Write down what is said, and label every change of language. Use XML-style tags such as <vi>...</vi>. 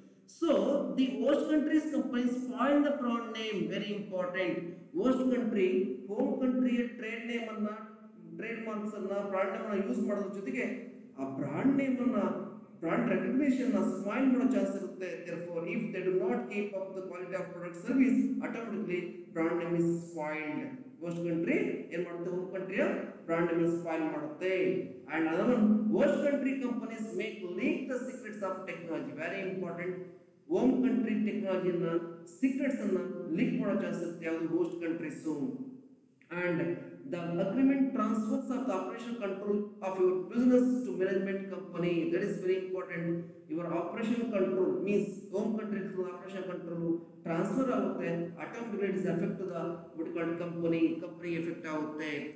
<en>So, the host country's companies spoil the brand name. Very important.</en> <kn>Host country, home country, trade name anna, trademarks anna, brand name anna use madadu jothege ಆ brand name ಅನ್ನ, brand recognition ಅನ್ನ smile ಮಾಡೋ chance ಇರುತ್ತೆ.</kn> <en>Therefore if they do not keep up the quality of product service, automatically brand name is spoiled.</en> <kn>Host country ಏನ್ ಮಾಡುತ್ತೆ, home ಕಂಟ್ರಿಯ brand name spoil ಮಾಡುತ್ತೆ.</kn> <en>And other ಒಂದು, host country companies make leak the secrets of technology.</en> <kn>Very important, home country ಟೆಕ್ನಾಲಜಿಯನ್ನ, secrets ಅನ್ನ leak ಮಾಡೋ chance ಇರುತ್ತೆ ಯಾವುದು, host countries.</kn> <en>And the agreement transfers of the operation control of your business to management company. That is very important. Your operation control means home country through operation control transfer agutte, automatically it is affect to the what you call company effect agutte.</en>